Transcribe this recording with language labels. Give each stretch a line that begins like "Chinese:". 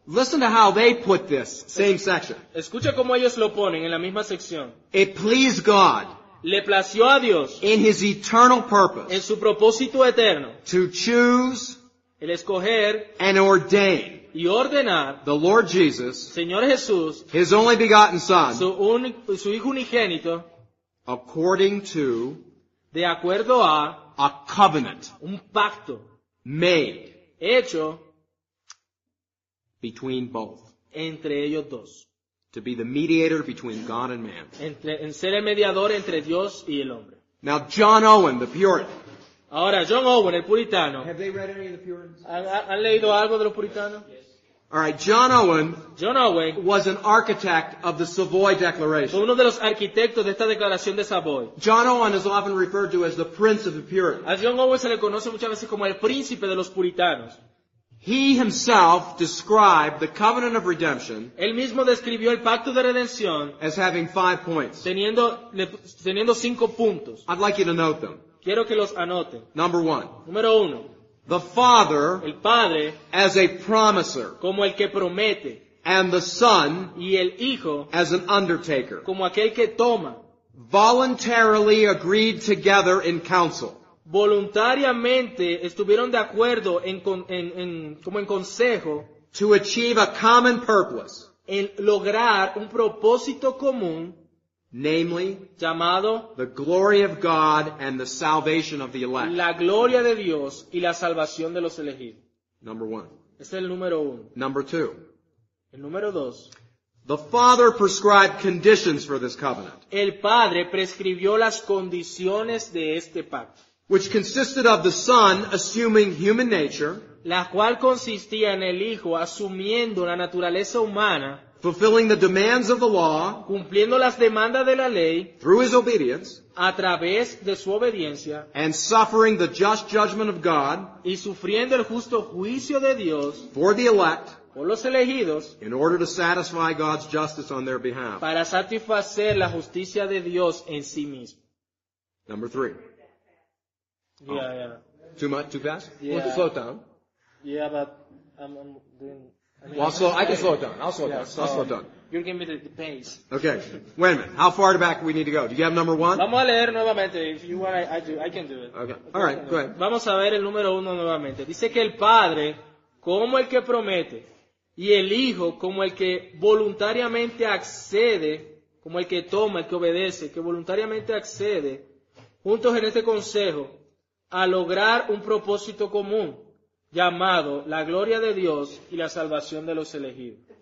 English: Listen to how they put this same section.
Spanish: Escucha cómo ellos lo ponen en la misma sección.
English: It pleased God.
Spanish: Le plació a Dios.
English: In his eternal purpose.
Spanish: En su propósito eterno.
English: To choose.
Spanish: El escoger.
English: And ordain.
Spanish: Y ordenar
English: the Lord Jesus,
Spanish: Señor Jesús,
English: his only begotten Son,
Spanish: su hijo unigénito,
English: according to,
Spanish: de acuerdo a,
English: a covenant,
Spanish: un pacto,
English: made,
Spanish: hecho,
English: between both,
Spanish: entre ellos dos,
English: to be the mediator between God and man,
Spanish: en ser el mediador entre Dios y el hombre.
English: Now John Owen, the Puritan.
Spanish: Ahora, John Owen, el puritano.
English: Have they read any of the Puritans?
Spanish: ¿Han leído algo de los puritanos?
English: Yes. All right, John Owen,
Spanish: John Owen
English: was an architect of the Savoy Declaration.
Spanish: Fue uno de los arquitectos de esta declaración de Savoy.
English: John Owen is often referred to as the Prince of the Puritans.
Spanish: A John Owen se le conoce muchas veces como el príncipe de los puritanos.
English: He himself described the covenant of redemption.
Spanish: Él mismo describió el pacto de redención
English: as having 5 points.
Spanish: Teniendo 5 puntos.
English: I'd like you to note them.
Spanish: Quiero que los anote.
English: Number one.
Spanish: Número uno.
English: The Father.
Spanish: El Padre.
English: As a promiser.
Spanish: Como el que promete.
English: And the Son.
Spanish: Y el Hijo.
English: As an undertaker.
Spanish: Como aquel que toma.
English: Voluntarily agreed together in council.
Spanish: Voluntariamente estuvieron de acuerdo en consejo.
English: To achieve a common purpose.
Spanish: En lograr un propósito común.
English: Namely,
Spanish: llamado,
English: the glory of God and the salvation of the elect.
Spanish: La gloria de Dios y la salvación de los elegidos.
English: Number one.
Spanish: Es el número uno.
English: Number two.
Spanish: El número dos.
English: The Father prescribed conditions for this covenant.
Spanish: El Padre prescribió las condiciones de este pacto.
English: Which consisted of the Son assuming human nature.
Spanish: la cual consistía en el Hijo asumiendo la naturaleza humana,
English: fulfilling the demands of the law,
Spanish: cumpliendo las demandas de la ley,
English: through his obedience,
Spanish: a través de su obediencia,
English: and suffering the just judgment of God,
Spanish: y sufriendo el justo juicio de Dios,
English: for the elect,
Spanish: por los elegidos,
English: in order to satisfy God's justice on their behalf,
Spanish: para satisfacer la justicia de Dios en sí mismo.
English: Number three. Too much, too fast? Yeah. We'll slow it down. Yeah, but I'm doing... I'll slow it down. You're giving me the pace. Okay. Wait a minute. How far back do we need to go? Do you have number one?
Spanish: Vamos a leer nuevamente.
English: If you want, I can do it. Okay. All right. Go ahead.
Spanish: Vamos a ver el número uno nuevamente. Dice que el Padre, como el que promete, y el Hijo, como el que voluntariamente accede, como el que toma, el que obedece, que voluntariamente accede, juntos en este consejo, a lograr un propósito común, llamado la gloria de Dios y la salvación de los elegidos.